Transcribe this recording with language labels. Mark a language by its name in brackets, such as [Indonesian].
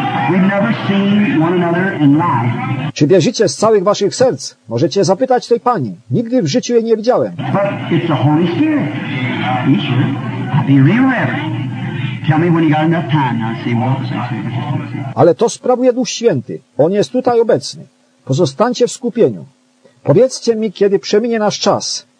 [English] We've never seen one another in life. [Polish] Czy wierzycie z całych waszych serc? Możecie zapytać tej pani. Nigdy w życiu jej nie widziałem. [English] But it's the Holy Spirit. Are you sure? I'll be real reverent. Tell me when you got enough time. I'll see what was [Polish] Ale to sprawuje Duch Święty. On jest tutaj obecny. Pozostańcie w skupieniu. Powiedzcie mi, kiedy przeminie nasz czas.